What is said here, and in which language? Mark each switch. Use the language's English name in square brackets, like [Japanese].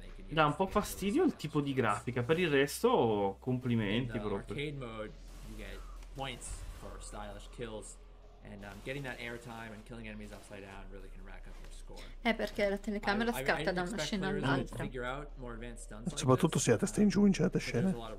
[Italian] Dà un po' fastidio il tipo di grafica, per il resto complimenti proprio. [English] Mode, you get points for stylish kills and getting that airtime and killing enemies upside down really can rack up your score. [Italian] È perché la telecamera scatta da una scena all'altra. Soprattutto se a testa in giù in certe scene.